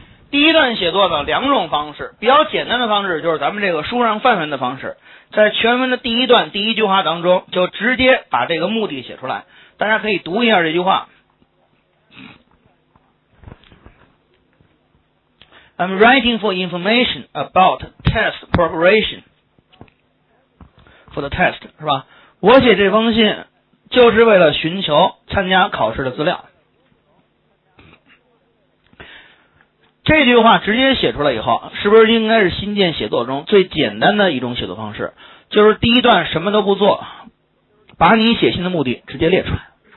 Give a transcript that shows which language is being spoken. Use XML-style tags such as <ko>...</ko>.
<zh>第一段写作的两种方式，比较简单的方式就是咱们这个书上范文的方式，在全文的第一段第一句话当中就直接把这个目的写出来。大家可以读一下这句话，</zh> <en>I'm writing for information about test preparation for the test，</en> <zh>是吧？我写这封信就是为了寻求参加考试的资料。这句话直接写出来以后，是不是应该是新建写作中最简单的一种写作方式？就是第一段什么都不做，把你写信的目的直接列出来。</zh>